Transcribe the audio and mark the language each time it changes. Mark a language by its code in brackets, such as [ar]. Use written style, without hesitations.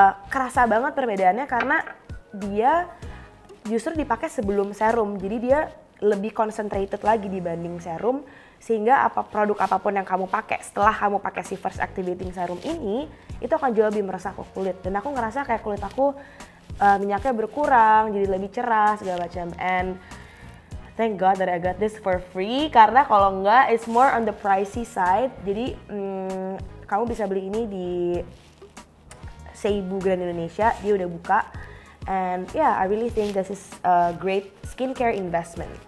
[id] Kerasa banget perbedaannya karena dia justru dipakai sebelum serum. Jadi dia lebih concentrated lagi dibanding serum, sehingga apa produk apapun yang kamu pakai setelah kamu pakai si First Activating Serum ini, itu akan jauh lebih meresap ke kulit. Dan aku ngerasa kayak kulit aku minyaknya berkurang, jadi lebih cerah segala macam. [en] And thank God that I got this for free, [id] karena kalau enggak [en] it's more on the pricey side. [id] Jadi kamu bisa beli ini di Seibu Grand Indonesia, dia udah buka. [en] And yeah, I really think this is a great skincare investment.